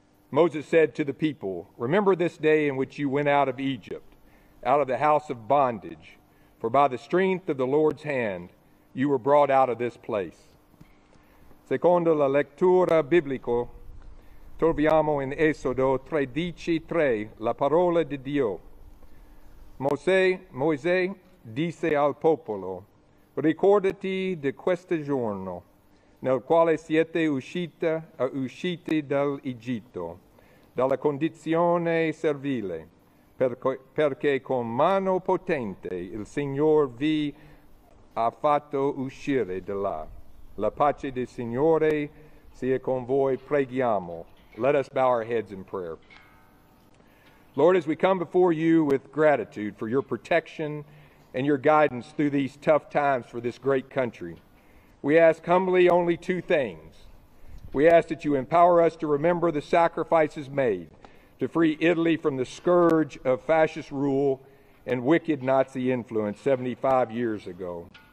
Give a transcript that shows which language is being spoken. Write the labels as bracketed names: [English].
[English] Moses said to the people, "Remember this day in which you went out of Egypt, out of the house of bondage, for by the strength of the Lord's hand, you were brought out of this place." [Italian] Secondo la lettura biblica, troviamo in Esodo 13:3 la parola di Dio. Mosè disse al popolo, "Ricordati di questo giorno, nel quale siete usciti dall'Egitto, dalla condizione servile, perché con mano potente il Signore vi ha fatto uscire di là. La pace del Signore sia con voi, preghiamo." [English] Let us bow our heads in prayer. Lord, as we come before you with gratitude for your protection and your guidance through these tough times for this great country, we ask humbly only two things. We ask that you empower us to remember the sacrifices made to free Italy from the scourge of fascist rule and wicked Nazi influence 75 years ago.